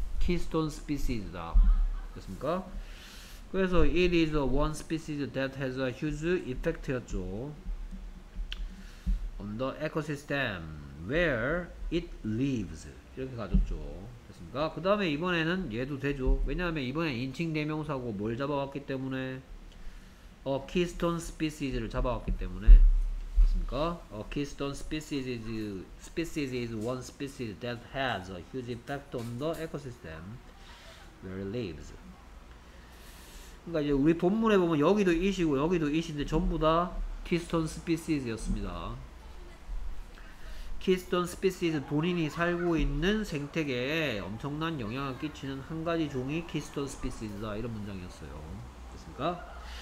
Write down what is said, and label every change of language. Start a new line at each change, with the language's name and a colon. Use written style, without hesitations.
Korean: 키스톤 스피시즈다. 됐습니까? 그래서
English: it is a one species that has a huge effect였죠. on the ecosystem where it lives.
Korean: 이렇게 가졌죠. 됐습니까? 그 다음에 이번에는 얘도 되죠. 왜냐하면 이번에 인칭 대명사고 뭘 잡아왔기 때문에? a keystone species를 잡아왔기 때문에.
English: A keystone species is one species that has a huge impact on the ecosystem where it lives.
Korean: 그러니까 이제 우리 본문에 보면 여기도 이시고 여기도 이시인데 전부 다 Keystone Species 였습니다. Keystone Species는 본인이 살고 있는 생태계에 엄청난 영향을 끼치는 한 가지 종이 Keystone Species다. 이런 문장이었어요. 됐습니까?